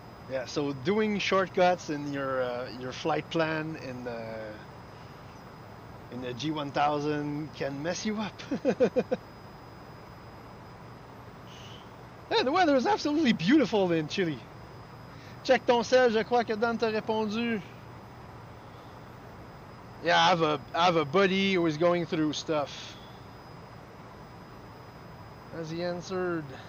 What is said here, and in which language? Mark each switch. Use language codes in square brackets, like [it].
[en] Yeah, so doing shortcuts in your flight plan in the G1000 can mess you up. Yeah, the weather is absolutely beautiful in Chile. [fr] Check ton cell, je crois que Dan t'a répondu. [en] Yeah, I have a buddy who is going through stuff. Has he answered?